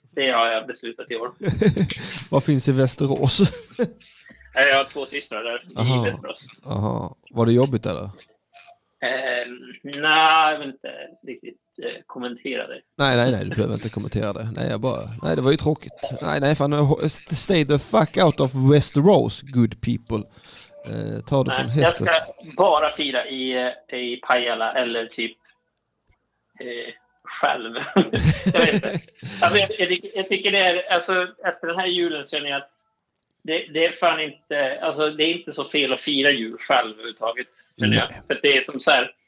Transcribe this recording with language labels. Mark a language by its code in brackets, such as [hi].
[sv] Det har jag beslutat i år. Vad finns i Västerås? Jag har två systrar där. Aha. I Västerås. Aha. Var det jobbigt eller? Nej, jag vet inte riktigt. Kommentera det. Nej, du behöver inte kommentera det. Nej, jag bara. Nej, det var ju tråkigt. Nej, fan, [en] stay the fuck out of Westeros, good people. [sv] Ta det som hästen. Jag ska bara fira i Pajala eller typ själv. Jag vet inte. Alltså, jag tycker det är, alltså, efter den här julen ser ni att det är fan inte, alltså, det är inte så fel att fira jul själv överhuvudtaget. För det är som så här.